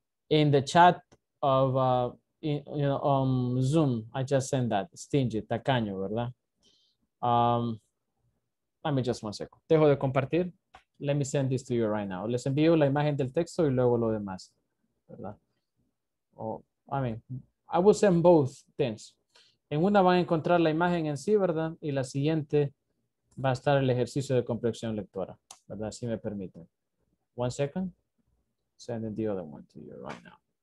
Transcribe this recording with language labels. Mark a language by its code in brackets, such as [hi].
[en] In the chat of, Zoom, I just sent that. [es] Stingy, tacaño, ¿verdad? [en] Let me just 1 second. [es] Dejo de compartir. [en] Let me send this to you right now. [es] Les envío la imagen del texto y luego lo demás. ¿Verdad? [en] I will send both things. [es] En una van a encontrar la imagen en sí, ¿verdad? Y la siguiente va a estar el ejercicio de comprensión lectora. ¿Verdad? Si me permiten. [en] 1 second. Sending the other one to you right now.